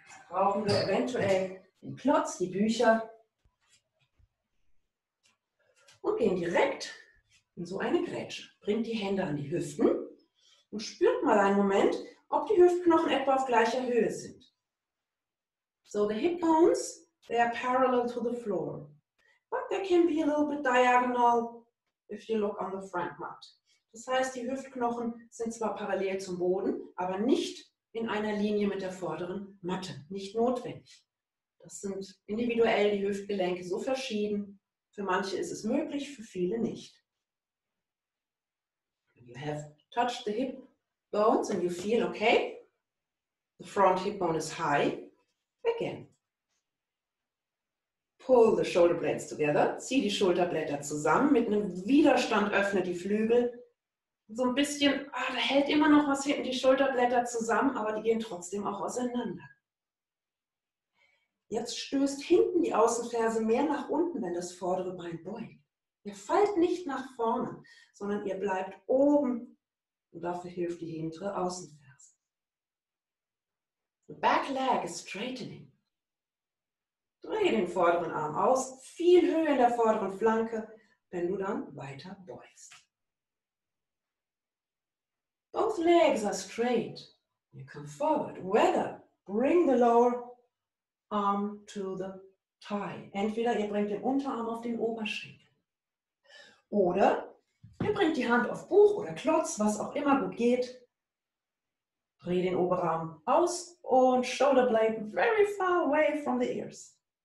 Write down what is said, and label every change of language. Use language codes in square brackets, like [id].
[de] Brauchen wir eventuell den Klotz, die Bücher. Und gehen direkt in so eine Grätsche. Bringt die Hände an die Hüften und spürt mal einen Moment, ob die Hüftknochen etwa auf gleicher Höhe sind. [en] So the hip bones, they are parallel to the floor. But they can be a little bit diagonal if you look on the front mat. [de] Das heißt, die Hüftknochen sind zwar parallel zum Boden, aber nicht in einer Linie mit der vorderen Matte. Nicht notwendig. Das sind individuell die Hüftgelenke so verschieden. Für manche ist es möglich, für viele nicht. [en] You have touched the hip bones and you feel okay. The front hip bone is high. Again. Pull the shoulder blades together. [de] Zieh die Schulterblätter zusammen. Mit einem Widerstand öffne die Flügel. so ein bisschen, ah, da hält immer noch was hinten, die Schulterblätter zusammen, aber die gehen trotzdem auch auseinander. Jetzt stößt hinten die Außenferse mehr nach unten, wenn das vordere Bein beugt. Ihr fallt nicht nach vorne, sondern ihr bleibt oben und dafür hilft die hintere Außenferse. [en] The back leg is straightening. [de] Dreh den vorderen Arm aus, viel höher in der vorderen Flanke, wenn du dann weiter beugst. [en] Both legs are straight. You come forward. Whether bring the lower arm to the thigh. [de] Entweder ihr bringt den Unterarm auf den Oberschenkel. Oder ihr bringt die Hand auf Buch oder Klotz, was auch immer gut geht. Dreh den Oberarm aus und [en] shoulder blade very far away from the ears.